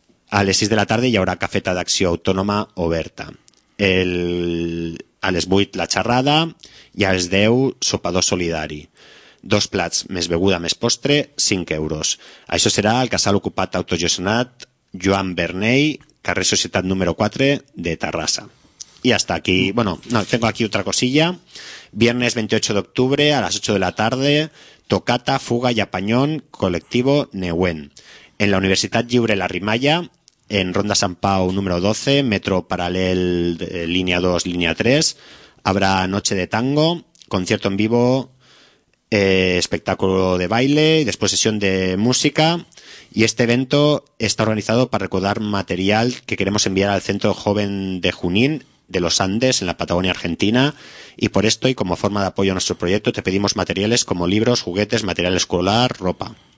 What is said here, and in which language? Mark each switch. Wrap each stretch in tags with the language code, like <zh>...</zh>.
<ca>A les 6 de la tarda hi haurà cafeta d'acció autònoma oberta. A les 8 la xerrada i a les 10 sopador solidari. 2 plats, més beguda, més postre, 5 euros. Això serà el casal ocupat autogestionat Joan Bernei, carrer Societat número 4 de Terrassa.</ca> <es>I hasta aquí, bueno, no, tengo aquí otra cosilla.</es> <ca>Viernes 28 d'octubre a les 8 de la tarda, Tocata, Fuga i Apanyón, col·lectivo Neuen.</ca> <es>En la Universitat Lliure La Rimaia, en Ronda Sant Pau número 12, metro paral·lel línia 2, línia 3, habrá Noche de Tango, concierto en vivo, espectáculo de baile, exposición de música, y este evento está organizado para recaudar material que queremos enviar al Centro Joven de Junín de los Andes en la Patagonia Argentina, y por esto y como forma de apoyo a nuestro proyecto te pedimos materiales como libros, juguetes, material escolar, ropa.</es>